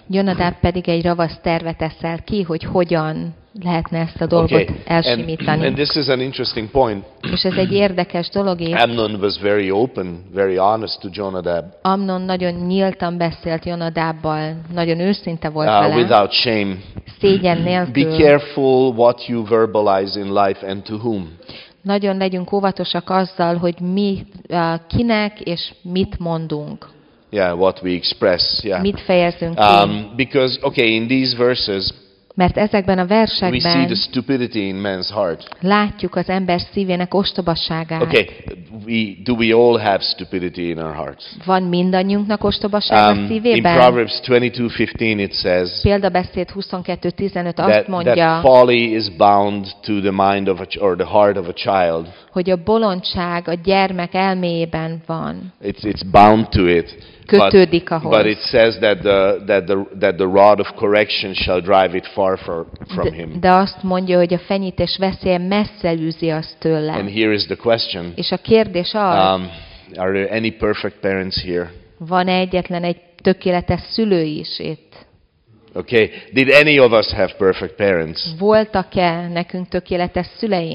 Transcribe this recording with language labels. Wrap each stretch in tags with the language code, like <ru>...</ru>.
<hu>Jonadab pedig egy ravasz tervet eszel ki, hogy hogyan lehetne ezt a dolgot elsimítani.</hu> <en>And this is an interesting point.</en> <hu>És ez egy érdekes dolog is.</hu> <en>Amnon was very open, very honest to Jonadab.</en> <hu>Amnon nagyon nyíltan beszélt Jonadabbal, nagyon őszinte volt vele.</hu> <en>Without shame.</en> <hu>Szégyen nélkül.</hu> <en>Be careful what you verbalize in life and to whom.</en> <hu>Nagyon legyünk óvatosak azzal, hogy mi kinek és mit mondunk.</hu> <en>Yeah, what we express. Yeah.</en> <hu>Mit fejezünk ki?</hu> <en>In these verses.</en> <hu>Mert ezekben a versekben</hu> <en>we see the stupidity in man's heart.</en> <hu>Látjuk az ember szívének ostobaságát.</hu> <en>Okay, do we all have stupidity in our hearts?</en> <hu>Van mindannyiunknak ostobaság a szívében.</hu> <en>In Proverbs 22:15 it says.</en> <hu>Példabeszéd 22:15 azt mondja.</hu> <en>That folly is bound to the mind of or the heart of a child.</en> <hu>Hogy a bolondság a gyermek elméjében van.</hu> <en>It's bound to it.</en> <hu>Kötődik ahhoz.</hu> <en>But it says that the rod of correction shall drive it far from him.</en> <hu>De azt mondja, hogy a fenyítés veszélye messze űzi azt tőle.</hu> <en>And here is the question.</en> <hu>És a kérdés az.</hu> <en>Are there any perfect parents here?</en> <hu>Van egyetlen egy tökéletes szülő is itt?</hu> <en>Okay. Did any of us have perfect parents?</en> <hu>Voltak-e nekünk tökéletes szüleink?</hu>